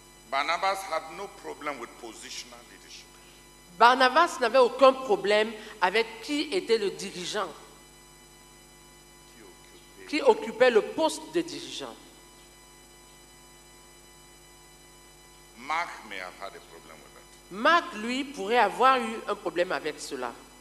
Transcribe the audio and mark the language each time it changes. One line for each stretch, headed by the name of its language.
English: Barnabas had no problem with positional leadership.
French: Barnabas n'avait aucun problème avec qui était le dirigeant, qui occupait le poste de dirigeant.
English: Mark may have had a problem with that.
French: Mark, lui, pourrait avoir eu un problème avec cela.